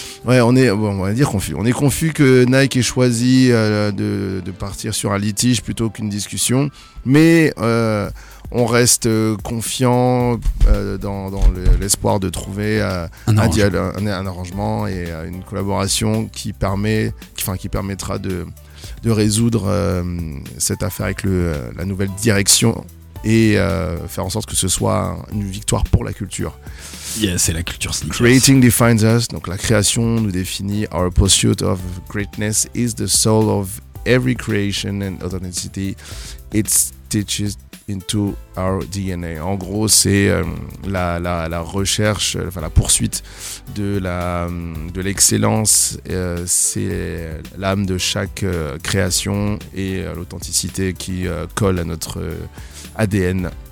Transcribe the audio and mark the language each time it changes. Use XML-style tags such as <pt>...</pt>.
<fr>On est confus que Nike ait choisi de partir sur un litige plutôt qu'une discussion, mais on reste confiant dans l'espoir de trouver un arrangement et une collaboration qui permettra de résoudre cette affaire avec la nouvelle direction. Et faire en sorte que ce soit une victoire pour la culture. Yeah, c'est la culture sneakers.</fr> <en>Creating defines us,</en> <fr>donc la création nous définit.</fr> <en>Our pursuit of greatness is the soul of every creation and authenticity. It stitches into our DNA.</en> <fr>En gros, c'est la recherche, enfin la poursuite de de l'excellence. C'est l'âme de chaque création et l'authenticité qui colle à notre ADN.</fr>